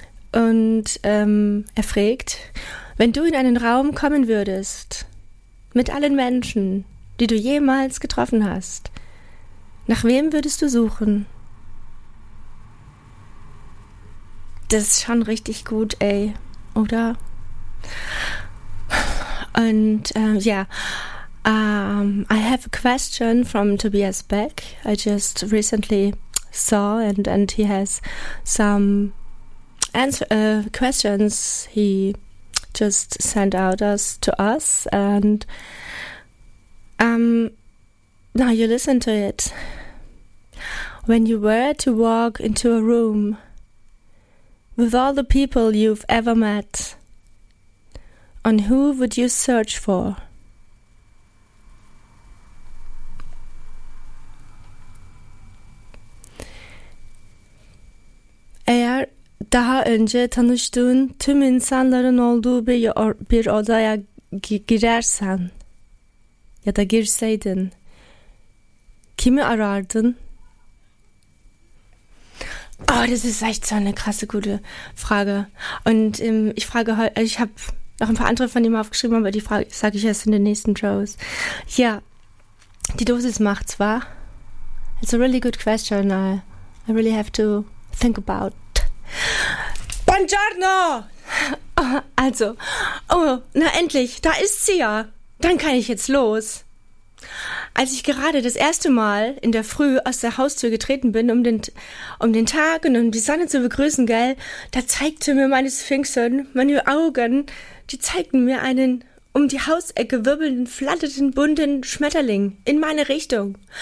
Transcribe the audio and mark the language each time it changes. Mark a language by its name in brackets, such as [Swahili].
[German] Und er fragt, wenn du in einen Raum kommen würdest, mit allen Menschen, die du jemals getroffen hast, nach wem würdest du suchen? Das ist schon richtig gut, ey, oder? Und [English] I have a question from Tobias Beck. I just recently saw, and he has some questions he just sent out to us, and now you listen to it. When you were to walk into a room with all the people you've ever met, on who would you search for? [Turkish] Eğer daha önce tanıştığın tüm insanların olduğu bir odaya girersen ya da girseydin, kimi arardın? [German] Oh, das ist echt so eine krasse, gute Frage. Und ich habe noch ein paar andere von ihm aufgeschrieben, aber die Frage sage ich erst in den nächsten Shows. Ja, die Dosis macht's, wa? [English] It's a really good question. I really have to think about. [Italian] Buongiorno! [German] Also, oh, na endlich, da ist sie ja. Dann kann ich jetzt los. Als ich gerade das erste Mal in der Früh aus der Haustür getreten bin, um den Tag und um die Sonne zu begrüßen, gell, da zeigte mir meine Sphinxen, meine Augen, die zeigten mir einen um die Hausecke wirbelnden, flatternden, bunten Schmetterling in meine Richtung.